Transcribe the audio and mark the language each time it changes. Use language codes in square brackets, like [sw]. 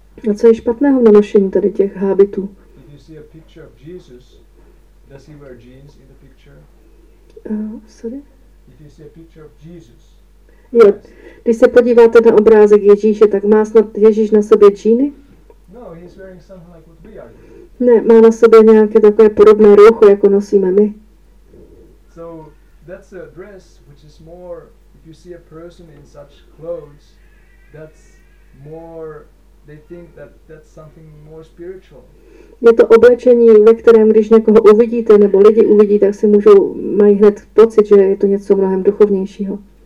[cs] A co je špatného na nošení tady těch hábitů? [en] See a picture of Jesus. Does he wear jeans in the picture? Sorry. If you see a picture of Jesus. [cs] Jo. Když se podíváte na obrázek Ježíše, tak má snad Ježíš na sobě džíny? [en] No, he's wearing something like what we are. [cs] Ne, má na sobě nějaké takové podobné roucho, jako nosíme my. [en] So that's a dress which is more, if you see a person in such clothes, that's more, they think that that's something more spiritual. [cs] Je to oblečení, ve kterém, když někoho uvidíte, nebo lidi uvidí, tak si můžou, mají hned pocit, že je to něco mnohem duchovnějšího.